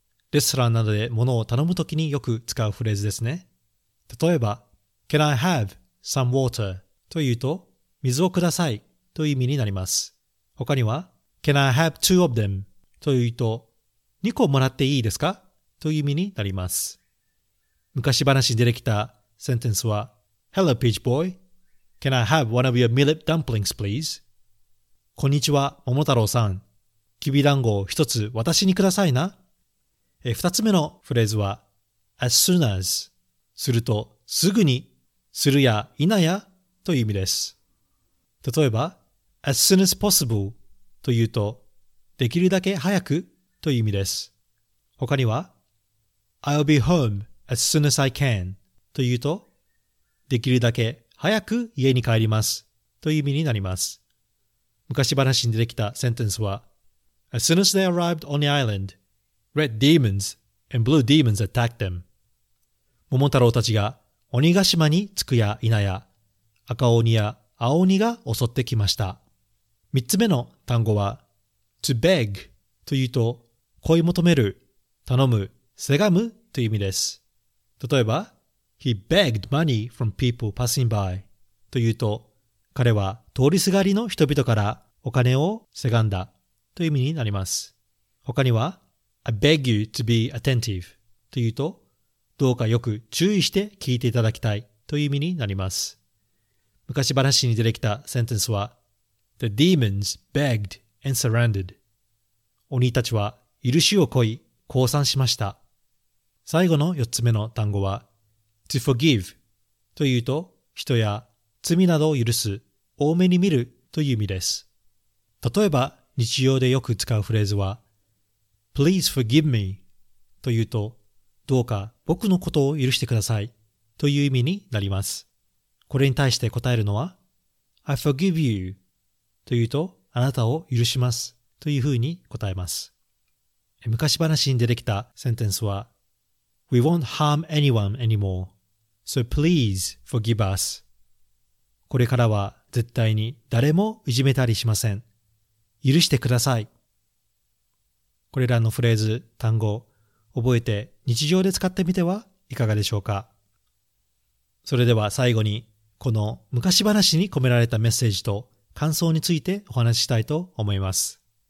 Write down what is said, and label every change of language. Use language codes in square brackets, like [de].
[ja] レストランなどで物を頼むときによく使うフレーズですね。例えば [en] Can I have some water [ja] というと水をくださいという意味になります。他には [en] Can I have two of them [ja] というと2個もらっていいですかという意味になります。昔話に出てきたセンテンスは [en] Hello Peach Boy Can I have one of your millet dumplings please? [ja] こんにちは桃太郎さん、きびだんごを一つ私にくださいな。二つ目のフレーズは As soon as、するとすぐに、するや否やという意味です。例えば [en] As soon as possible [ja] というとできるだけ早くという意味です。他には [en] I'll be home as soon as I can [ja] というとできるだけ早く家に帰りますという意味になります。昔話に出てきたセンテンスは [en] As soon as they arrived on the island, red demons and blue demons attacked them. [ja] 桃太郎たちが鬼ヶ島に着くや否や、赤鬼や青鬼が襲ってきました。三つ目の単語は、 [en] to beg [ja] というと、恋求める、頼む、せがむという意味です。例えば、 [en] He begged money from people passing by [ja] というと、彼は通りすがりの人々からお金をせがんだ。という意味になります。他には、 [en] I beg you to be attentive [ja] というと、どうかよく注意して聞いていただきたいという意味になります。昔話に出てきたセンテンスは、 [en] The demons begged and surrendered. [ja] 鬼たちは許しを乞い、降参しました。最後の四つ目の単語は、 [en] To forgive [ja] というと、人や罪などを許す、多めに見るという意味です。例えば、日常でよく使うフレーズは [en] Please forgive me [ja] というとどうか僕のことを許してくださいという意味になります。これに対して答えるのは [en] I forgive you [ja] というとあなたを許しますというふうに答えます。昔話に出てきたセンテンスは [en] We won't harm anyone anymore. So please forgive us. [ja] これからは絶対に誰もいじめたりしません。許してください。これらのフレーズ、単語、覚えて日常で使ってみてはいかがでしょうか。それでは最後に、この昔話に込められたメッセージと感想についてお話ししたいと思います。